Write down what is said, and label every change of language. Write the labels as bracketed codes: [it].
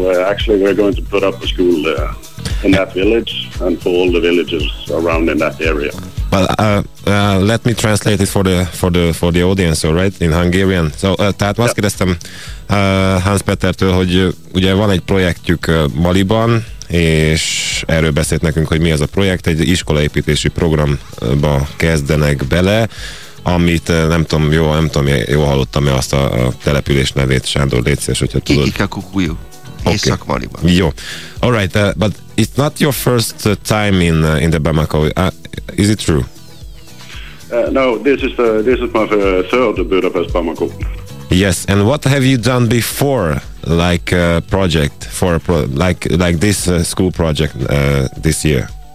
[en] Actually we're going to put up a school there in that village and for all the villages around in that area. Well, let me translate it for the audience, all right, in Hungarian. [hu] So, tehát azt kérdeztem Hans Petertől, hogy ugye van egy projektjük Maliban, és erről beszélt nekünk, hogy mi az a projekt, egy iskolaépítési programba kezdenek bele, amit nem tudom, jó hallottam-e azt a település nevét, Sándor, légy szíves, hogyha tudod. Kikikakukuyu, Észak-Maliban. Jó. [en] All right, but it's not your first time in the Bamako, is it true? No, this is my third Budapest Bamako. Yes, and what have you done before, like project for like this school project this year?